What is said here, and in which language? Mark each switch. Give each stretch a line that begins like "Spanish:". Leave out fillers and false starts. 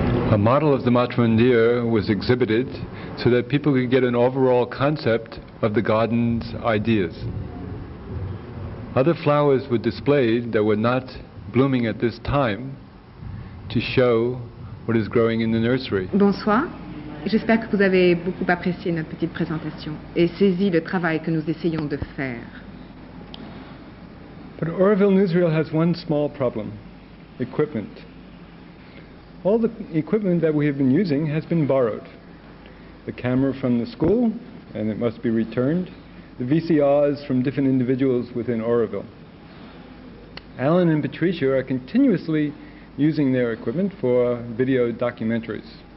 English: A model of the Matrimandir was exhibited so that people could get an overall concept of the garden's ideas. Other flowers were displayed that were not blooming at this time to show what is growing in the nursery.
French: Bonsoir. J'espère que vous avez beaucoup apprécié notre petite présentation et saisi le travail que nous essayons de faire.
English: But Oroville Newsreel has one small problem: equipment. All the equipment that we have been using has been borrowed. The camera from the school, and it must be returned. The VCRs from different individuals within Oroville. Alan and Patricia are continuously using their equipment for video documentaries.